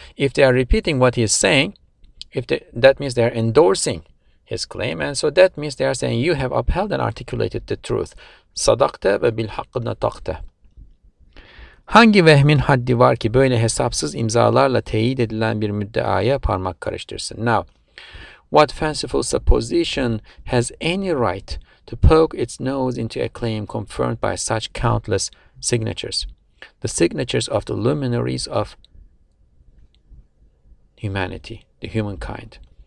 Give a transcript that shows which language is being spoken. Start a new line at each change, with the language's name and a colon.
English: If they are repeating what he is saying, that means they are endorsing his claim, and so that means they are saying you have upheld and articulated the truth.
Arabic: Sadakte ve bilhakkı natakte.
Turkish: Hangi vehmin haddi var ki böyle hesapsız imzalarla teyit edilen bir müddeaya parmak karıştırsın?
English: Now, what fanciful supposition has any right to poke its nose into a claim confirmed by such countless signatures? The signatures of the luminaries of humanity, the humankind.